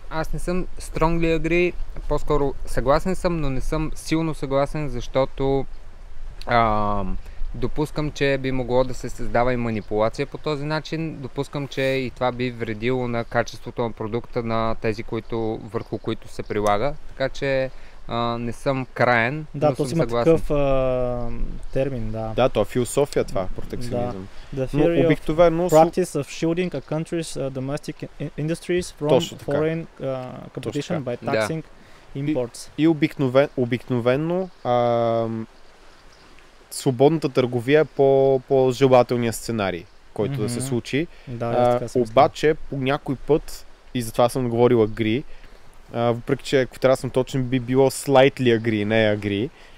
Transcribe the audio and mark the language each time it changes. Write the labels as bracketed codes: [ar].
[bg] Аз не съм [en] strongly agree, [bg] по-скоро съгласен съм, но не съм силно съгласен, защото допускам, че би могло да се създава и манипулация по този начин. Допускам, че и това би вредило на качеството на продукта на тези, които, върху които се прилага. Така че не съм краен, да, но съм съгласен. Да, то си има такъв термин, да. Да, то е философия това, протекционизъм. Да. [en] The theory of [bg] обикновено... [en] practice of shielding a country's domestic industries from foreign competition by taxing imports. [bg] И обикновено свободната търговия е по желателния сценарий, който да се случи. Да, обаче по някой път, и затова съм говорил агри, въпреки че ако трябва да съм точен би било [en] slightly agree, [bg] не agree.